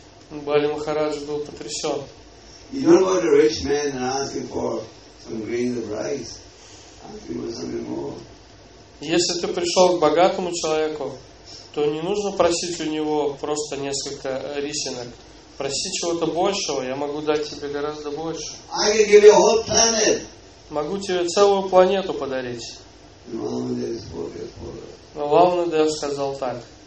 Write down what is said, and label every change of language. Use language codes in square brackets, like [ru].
[ru] Бали Махарадж был потрясен. [en] You don't go to rich men and ask him for some grains of rice. Ask him for something more. [ru] Если ты пришел к богатому человеку, то не нужно просить у него просто несколько рисинок. Проси чего-то большего, я могу дать тебе гораздо больше. [en] I can give you a whole planet. [ru] Могу тебе целую планету подарить. Но Вамана Дев сказал так.